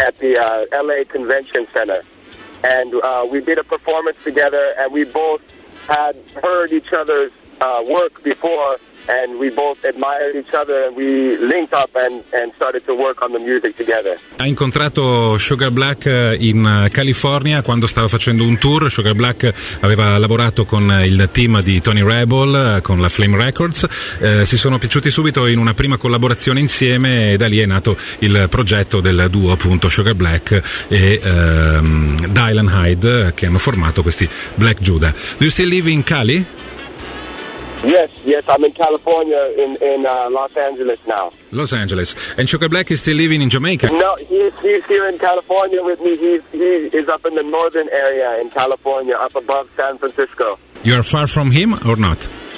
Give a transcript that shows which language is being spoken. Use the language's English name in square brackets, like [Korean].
[English] At the L.A. Convention Center. And we did a performance together, and we both had heard each other's work before, and we both admired each other, and we linked up and started to work on the music together. [Italian] Ha incontrato Sugar Black in California quando stava facendo un tour. Sugar Black aveva lavorato con il team di Tony Rebel, con la Flame Records. Si sono piaciuti subito in una prima collaborazione insieme, e da lì è nato il progetto del duo, appunto, Sugar Black e Dylan Hyde, che hanno formato questi Black Judah. [English] Do you still live in Cali? Yes, I'm in California, in Los Angeles now. Los Angeles. And Sugar Black is still living in Jamaica? No, he's here in California with me. He is up in the northern area in California, up above San Francisco. You are far from him or not?